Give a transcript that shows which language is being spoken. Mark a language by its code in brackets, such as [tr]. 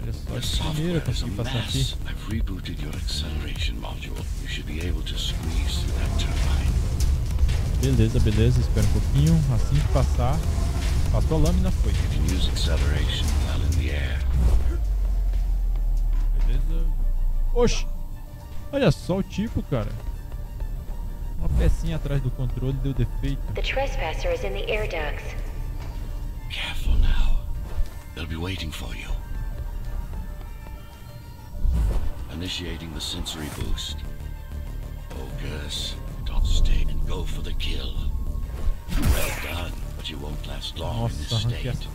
[pt] Olha só, a primeira que eu consegui passar aqui. [en] Rebooted your acceleration module. You should be able to squeeze through that turbine. [pt] Beleza, beleza. Espera um pouquinho. Assim que passar, passou a lâmina, foi. [en] You can use acceleration while in the air. [pt] Beleza. Oxi! Olha só o tipo, cara. Uma pecinha atrás do controle deu defeito. [en] The trespasser is in the air ducts. Careful now. They'll be waiting for you. Initiating the sensory boost. Focus. Don't stay and go for the kill. Well done, but you won't last long. [pt] Nossa, [en] in this state.